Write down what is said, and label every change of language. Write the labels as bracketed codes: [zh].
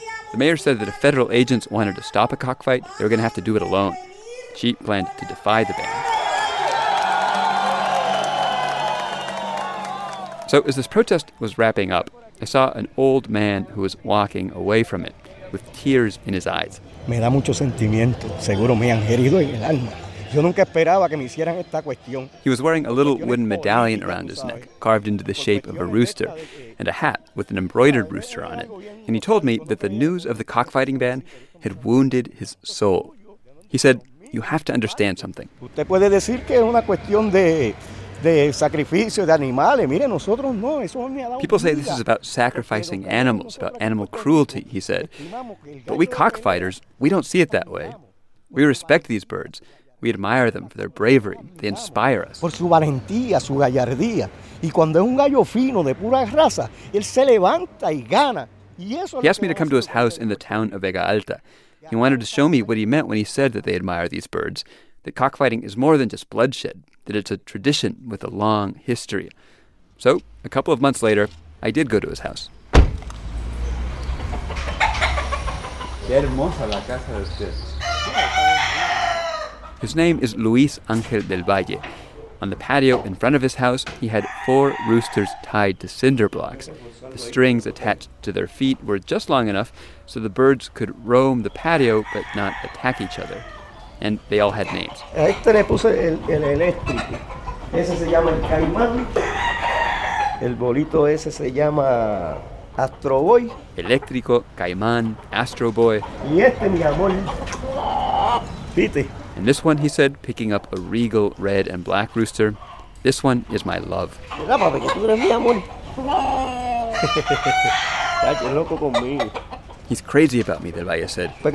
[en] The mayor said that if federal agents wanted to stop a cockfight, they were going to have to do it alone. She planned to defy the ban. So as this protest was wrapping up, I saw an old man who was walking away from it with tears in his eyes. [es] Me da mucho sentimiento. Seguro me han herido en el alma. Yo nunca esperaba que me hicieran esta cuestión. [en] He was wearing a little wooden medallion around his neck, carved into the shape of a rooster, and a hat with an embroidered rooster on it. And he told me that the news of the cockfighting ban had wounded his soul. He said, "You have to understand something. [es] Usted puede decir que es una cuestión de sacrificio de animales. Mire, nosotros no, eso me ha dado. [en] People say this is about sacrificing animals, about animal cruelty," he said. "But we cockfighters, we don't see it that way. We respect these birds. We admire them for their bravery. They inspire us. [es] Por su valentía, su gallardía. Y cuando es un gallo fino de pura raza, él se levanta y gana." [en] He asked me to come to his house in the town of Vega Alta. He wanted to show me what he meant when he said that they admire these birds, that cockfighting is more than just bloodshed, that it's a tradition with a long history. So, a couple of months later, I did go to his house. [es] Qué hermosa la casa de usted. [en] His name is Luis Ángel del Valle. On the patio in front of his house, he had four roosters tied to cinder blocks. The strings attached to their feet were just long enough so the birds could roam the patio but not attack each other. And they all had names. [es] A este le puse el eléctrico. Ese se llama el caimán. El bolito ese se llama Astro Boy. Eléctrico, caimán, Astro Boy. Y este, mi amor. Pite. [en] And this one, he said, picking up a regal red and black rooster, "This one is my love." He's crazy about me, Del Valle said.